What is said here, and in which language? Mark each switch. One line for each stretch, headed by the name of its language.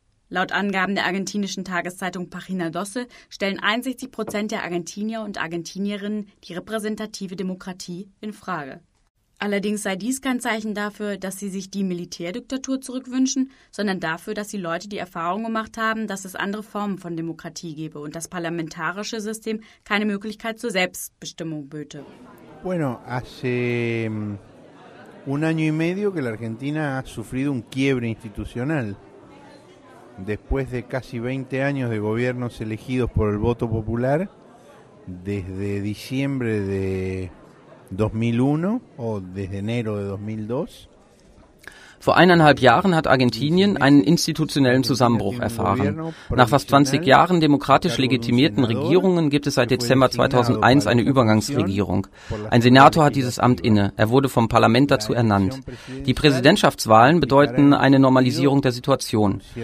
German: Laut Angaben der argentinischen Tageszeitung Página 12 stellen 61% der Argentinier und Argentinierinnen die repräsentative Demokratie in Frage. Allerdings sei dies kein Zeichen dafür, dass sie sich die Militärdiktatur zurückwünschen, sondern dafür, dass die Leute die Erfahrung gemacht haben, dass es andere Formen von Demokratie gebe und das parlamentarische System keine Möglichkeit zur Selbstbestimmung böte.
Spanish: Bueno, hace... un año y medio que la Argentina ha sufrido un quiebre institucional. Después de casi 20 años de gobiernos elegidos por el voto popular, desde diciembre de 2001 o desde enero de 2002.
German: Vor 1,5 Jahren hat Argentinien einen institutionellen Zusammenbruch erfahren. Nach fast 20 Jahren demokratisch legitimierten Regierungen gibt es seit Dezember 2001 eine Übergangsregierung. Ein Senator hat dieses Amt inne. Er wurde vom Parlament dazu ernannt. Die Präsidentschaftswahlen bedeuten eine Normalisierung der Situation.